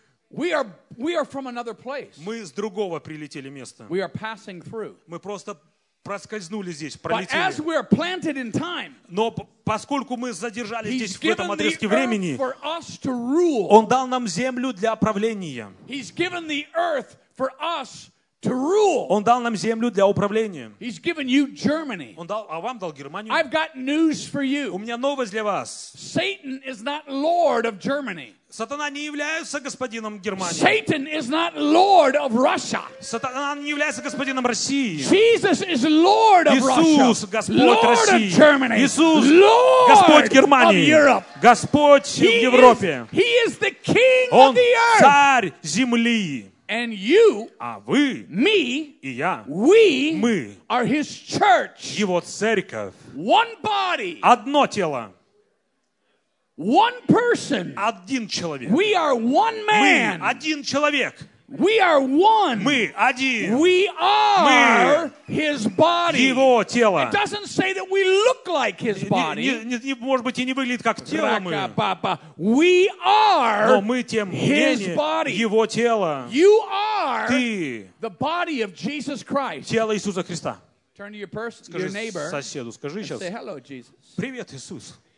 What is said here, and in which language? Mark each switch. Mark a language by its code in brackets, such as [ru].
[en] We are from another place. [ru] Мы с другого прилетели места. [en] We are passing through. [ru] Мы просто проскользнули здесь, пролетели. [en] But as we are planted in time. [ru] Но поскольку мы задержались здесь в этом отрезке времени, [en] for us to rule. [ru] Он дал нам землю для правления. [en] He's given the earth for us to rule. [ru] Он дал нам землю для управления. [en] He's given you Germany. [ru] Он дал, а вам дал Германию. [en] I've got news for you. [ru] У меня новость для вас. [en] Satan is not lord of Germany. [ru] Сатана не является господином Германии. [en] Satan is not lord of Russia. [ru] Сатана не является господином России. [en] Jesus is lord of Russia. [ru] Иисус Господь [en] lord [ru] России. [en] Lord of Germany. [ru] Иисус [en] lord [ru] Господь Германии. [en] Of Europe. [ru] Господь [en] he [ru] в Европе. [en] Is, he is the king [ru] Он [en] of the earth. [ru] Царь земли. [en] And you, [ru] а вы, [en] me, [ru] и я, [en] we, [ru] мы, [en] are his church. [ru] Его церковь. [en] One body. [ru] Одно тело. [en] One person. [ru] Один человек. [en] We are one man. [ru] Мы один человек. [en] We are one. [ru] Мы один. [en] We are [ru] мы [en] his body. [ru] Его тело. [en] It doesn't say that we look like his body. [ru] Не, может быть, и не выглядит как тело мы. Ра-ка-па-па. [en] We are. [ru] Но мы тем [en] his body. [ru] Его тело. [en] You are. [ru] Ты. [en] The body of Jesus Christ. [ru] Тело Иисуса Христа. [en] Turn to your person, your neighbor. [ru] Скажи соседу, скажи сейчас. [en] Say hello, Jesus. [ru] Привет, Иисус.